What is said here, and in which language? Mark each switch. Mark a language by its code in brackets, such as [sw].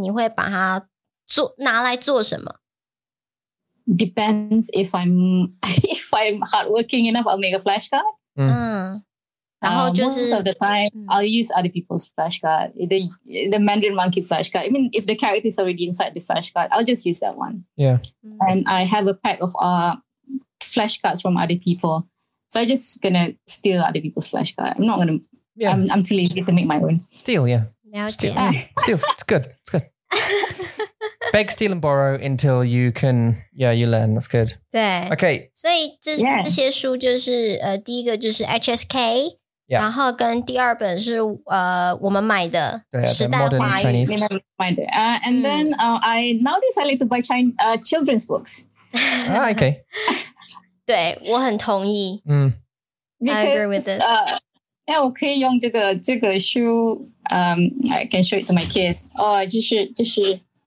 [zh] 你会把它做拿来做什么？ [en] Depends if I'm hardworking enough, I'll make a flashcard. [zh] 然后就是, [en] most of the time, I'll use other people's flashcard, the Mandarin Monkey flashcard. I mean, if the character is already inside the flashcard, I'll just use that one. Yeah. And I have a pack of flashcards from other people. So I'm just going to steal other people's flashcard. I'm not going to, I'm too lazy to make my own. Steal, yeah. Now steal. Steal. It's good. It's good. Beg, steal, and borrow until you can, yeah, you learn. That's good. [zh] 对, [en] okay. [zh] 所以这些书就是, 第一个就是 HSK, [en] yeah. [zh] 然后跟第二本是, 我们买的, 对啊, [en] and then I nowadays I like to buy Chinese children's books. Ah, okay. [zh] 对,我很同意. [en] Because, I agree with this. Yeah, [zh] 我可以用这个书, [en] I can show it to my kids. Oh, [zh] 就是